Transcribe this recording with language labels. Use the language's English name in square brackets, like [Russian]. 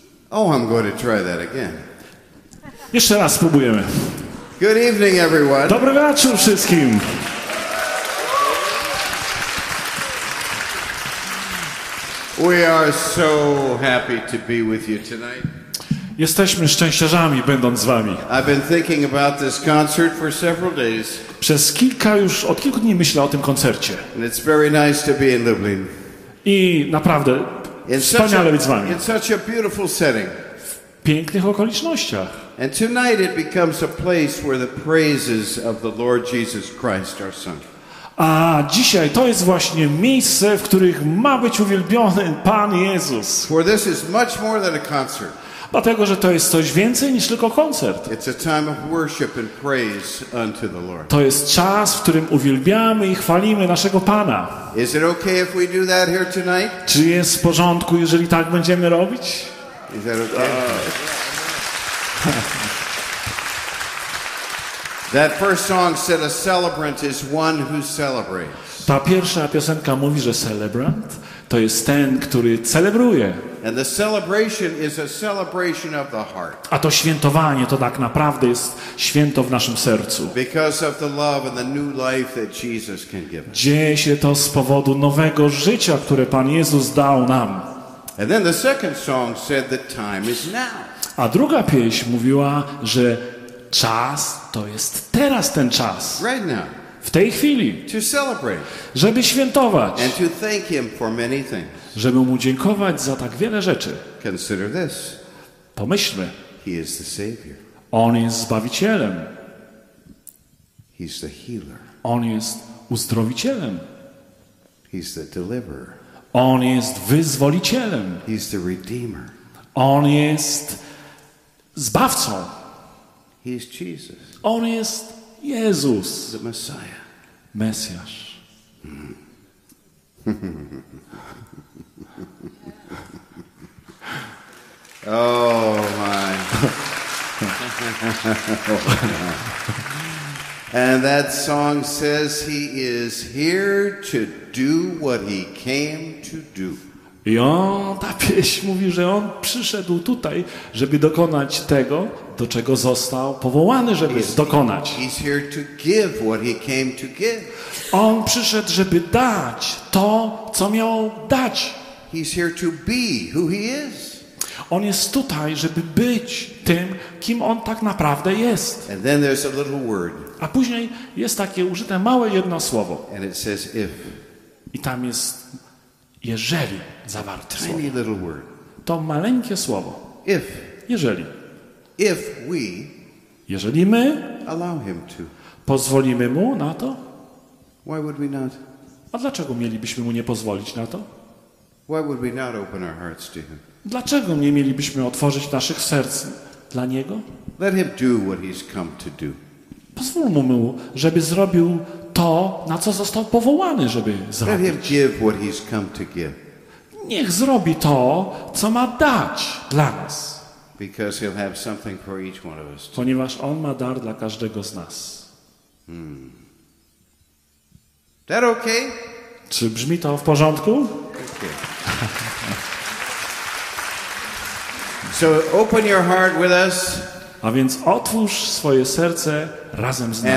[English] Oh, I'm going to try that again. [Polish] Jeszcze raz spróbujemy. [English] Good evening, everyone. [Polish] Dobry wieczór wszystkim. [English] We are so happy to be with you tonight. [Polish] Jesteśmy szczęściarzami, będąc z wami. [English] I've been thinking about this concert for several days. [Polish] Przez kilka już, od kilku dni myślę o tym koncercie. [English] And it's very nice to be in Lublin. [Polish] I naprawdę wspaniale być z wami. [English] In such a beautiful setting. [Polish] W pięknych okolicznościach. [English] And tonight it becomes a place where the praises of the Lord Jesus Christ are sung. [Polish] A dzisiaj to jest właśnie miejsce, w których ma być uwielbiony Pan Jezus. [English] For this is much more than a concert. [Polish] Dlatego, że to jest coś więcej niż tylko koncert. [English] It's a time of worship and praise unto the Lord. [Polish] To jest czas, w którym uwielbiamy i chwalimy naszego Pana. [English] Is it okay if we do that here tonight? [Polish] Czy jest w porządku, jeżeli tak będziemy robić? [English] Is that okay? That first song said a celebrant is one who celebrates. [Polish] Ta pierwsza piosenka mówi, że celebrant to jest ten, który celebruje. [English] And the celebration is a celebration of the heart. [Polish] A to świętowanie to tak naprawdę jest święto w naszym sercu. [English] Because of the love and the new life that Jesus can give us. [Polish] Dzieje się to z powodu nowego życia, które Pan Jezus dał nam. [English] And then the second song said that time is now. [Polish] A druga pieśń mówiła, że czas to jest teraz ten czas. [English] Right now. [Polish] W tej chwili. [English] To celebrate. [Polish] Żeby świętować. [English] And to thank him for many things. [Polish] Żeby mu dziękować za tak wiele rzeczy. [English] Consider this. [Polish] Pomyślmy. [English] He is the savior. [Polish] On jest Zbawicielem. [English] He's the healer. [Polish] On jest Uzdrowicielem. [English] He's the deliverer. [Polish] On jest Wyzwolicielem. [English] He's the redeemer. [Polish] On jest Zbawcą. [English] He is Jesus. [Polish] On jest Jezus. [English] The Messiah. [Polish] Mesjasz. [English] Oh my. And that song says he is here to do what he came to do. [Polish] I on, ta pieśń mówi, że on przyszedł tutaj, żeby dokonać tego, do czego został powołany, żeby dokonać. [English] He's here to give what he came to give. [Polish] On przyszedł, żeby dać to, co miał dać. [English] He's here to be who he is. [Polish] On jest tutaj, żeby być tym, kim on tak naprawdę jest. [English] And then there's a little word. [Polish] A później jest takie użyte małe jedno słowo. [English] And it says if. [Polish] I tam jest jeżeli zawarte słowo. [English] Tiny little word. [Polish] To maleńkie słowo. [English] If. [Polish] Jeżeli. [English] If we. [Polish] Jeżeli my. [English] Allow him to. [Polish] Pozwolimy mu na to. [English] Why would we not? [Polish] A dlaczego mielibyśmy mu nie pozwolić na to? [English] Why would we not open our hearts to him? [Polish] Dlaczego nie mielibyśmy otworzyć naszych serc dla niego? [English] Let him do what he's come to do. [Polish] Pozwólmy mu, żeby zrobił to, na co został powołany, żeby zrobić. [English] Let him give what he's come to give. [Polish] Niech zrobi to, co ma dać dla nas. [English] Because he'll have something for each one of us. [Polish] Ponieważ on ma dar dla każdego z nas. [English] That okay? [Polish] Czy brzmi to w porządku? [English] Okay. So open your heart with us. [Polish] A więc otwórz swoje serce razem z nami.